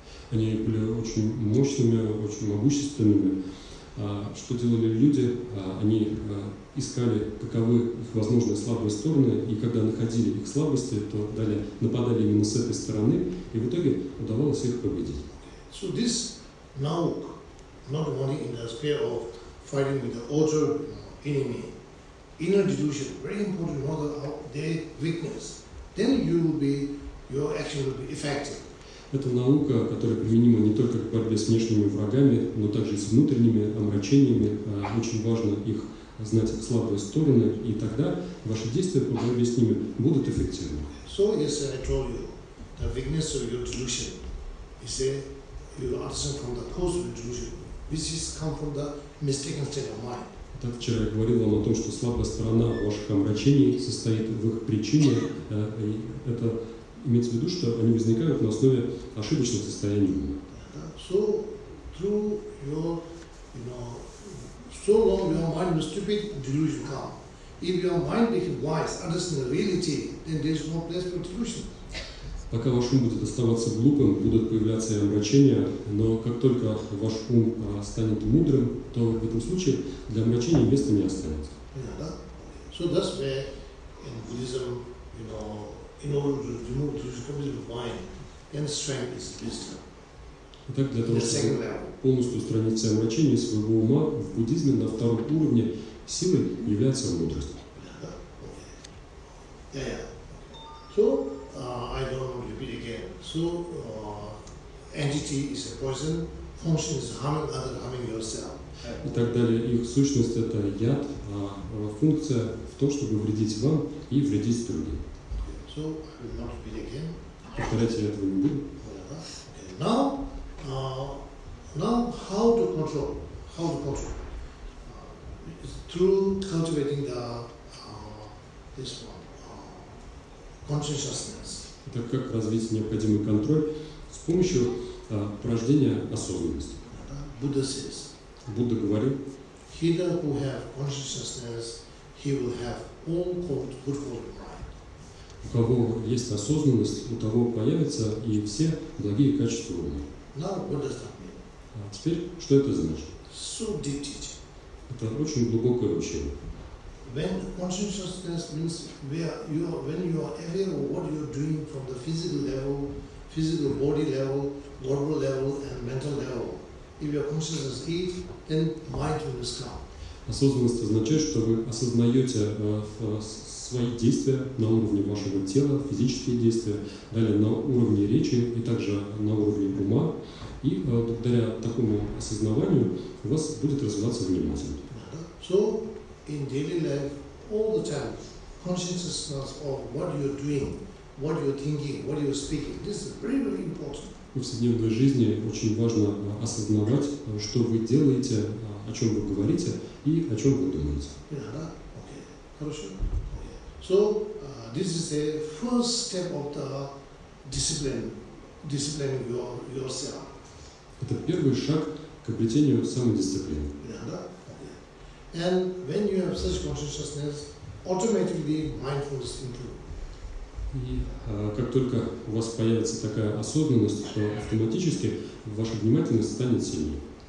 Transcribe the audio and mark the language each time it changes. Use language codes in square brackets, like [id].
[ru] Они были очень мощными, очень могущественными. Что делали люди? Они искали, каковы их возможные слабые стороны, и когда находили их слабости, то далее нападали именно с этой стороны, и в итоге удавалось их победить. [en] Now, not only in the sphere of fighting with the outer enemy, inner delusion, very important to know their weakness. Then you will be your action will be effective. [ru] Это наука, которая применима не только к борьбе с внешними врагами, но также с внутренними омрачениями. Очень важно их знать, слабые стороны, и тогда ваши действия по борьбе с ними будут эффективны. [en] So, yes, I told you, the weakness of your delusion is that you answer from the causal delusion, which is come from the mistaken state of mind. [ru] Так вчера я говорил вам о том, что слабая сторона ваших омрачений состоит в их причине. Это имеется в виду, что они возникают на основе ошибочных состояний ума. [en] So, through your, you know, so long your mind was stupid, delusion come. If your mind became wise, understand the reality, then there is no place for delusion. [ru] Пока ваш ум будет оставаться глупым, будут появляться и омрачения, но как только ваш ум станет мудрым, то в этом случае для омрачения места не останется. [en] So that's where in Buddhism, you know, in order to remove delusion completely from mind, then strength is wisdom. [ru] Итак, для того, чтобы полностью устранить все омрачения своего ума, в буддизме на втором уровне силой является мудрость. [en] So, I don't want to repeat again. So, entity is a poison, function is harming other, harming yourself. [ru] И так далее. Их сущность – это яд, а функция в том, чтобы вредить вам и вредить другим. [en] So, I will not repeat again. [ru] Повторять я этого не буду. [en] Now, how to control? How to control? Through cultivating the this one, consciousness. [ru] Это как развить необходимый контроль с помощью порождения осознанности. [en] Buddha says. [ru] Будда говорил. [en] He that who have consciousness, he will have all good quality mind. [ru] У кого есть осознанность, у того появятся и все благие качества ума. [en] Now, what does that mean? [ru] А теперь, что это значит? [en] So deep teaching. [ru] Это очень глубокое учение. [en] When consciousness means where you are, when you are aware of what you are doing from the physical level, physical body level, verbal level, and mental level, if your consciousness is, then mind will come. [ru] Осознанность означает, что вы осознаете свои действия на уровне вашего тела, физические действия, далее на уровне речи и также на уровне ума. И благодаря такому осознаванию у вас будет развиваться внимательность. [en] So, in daily life, all the time, consciousness of what you're doing, what you're thinking, what you're speaking, this is very, very important. [ru] В повседневной жизни очень важно осознавать, что вы делаете, о чем вы говорите и о чем вы думаете. [en] Okay. [ru] Хорошо. [en] So, this is the first step of the disciplining yourself. [ru] Это первый шаг к обретению самодисциплины. [en] And when you have such consciousness, automatically mindfulness improves. [ru] И как только у вас появится такая осознанность, то автоматически ваша внимательность станет сильнее.